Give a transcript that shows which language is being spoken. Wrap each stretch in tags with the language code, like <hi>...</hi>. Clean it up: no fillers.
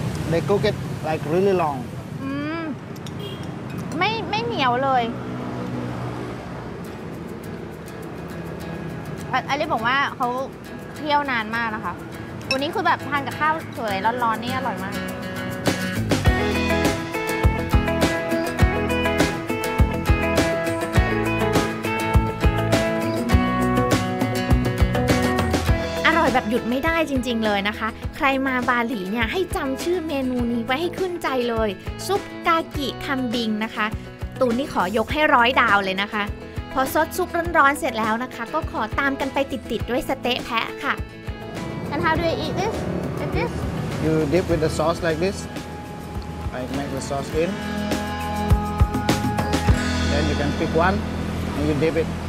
<en>They cook it like really long.</en> <th>ไม่เหนียวเลย อันนี้บอกว่าเขาเคี่ยวนานมากนะคะวันนี้คือแบบทานกับข้าวสวยร้อนๆนี่อร่อยมาก แบบหยุดไม่ได้จริงๆเลยนะคะใครมาบาหลีเนี่ยให้จำชื่อเมนูนี้ไว้ให้ขึ้นใจเลยซุปกากิคำบิงนะคะตูนนี่ขอยกให้ร้อยดาวเลยนะคะพอซดซุปร้อนๆเสร็จแล้วนะคะก็ขอตามกันไปติดๆด้วยสเต๊ะแพะค่ะ</th> <en>And how do you eat this? Like this? You dip with the sauce like this. Like make the sauce in. Then you can pick one and you dip it.</en>